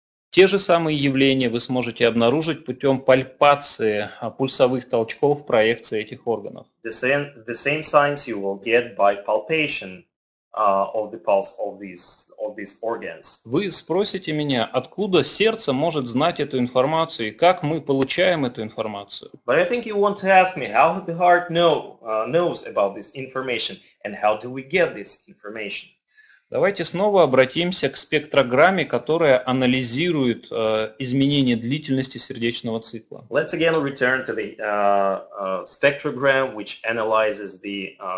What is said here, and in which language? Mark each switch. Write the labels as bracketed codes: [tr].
[ru] Те же самые явления вы сможете обнаружить путем пальпации пульсовых толчков проекции этих органов. [en] The same signs you will get by palpation of the pulse of these organs. [ru] Вы спросите меня, откуда сердце может знать эту информацию и как мы получаем эту информацию? [en] But I think you want to ask me how the heart knows about this information and how do we get this information? [ru] Давайте снова обратимся к спектрограмме, которая анализирует изменение длительности сердечного цикла. [en] Let's again return to the spectrogram, which analyzes the